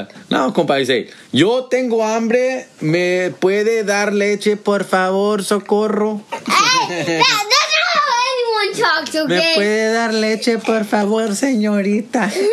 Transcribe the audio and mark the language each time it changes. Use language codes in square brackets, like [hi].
[es] No, compa, dice, yo tengo hambre. ¿Me puede dar leche, por favor? Socorro. [en] That's not how anyone talks, okay? [es] ¿Me puede dar leche, por favor, señorita?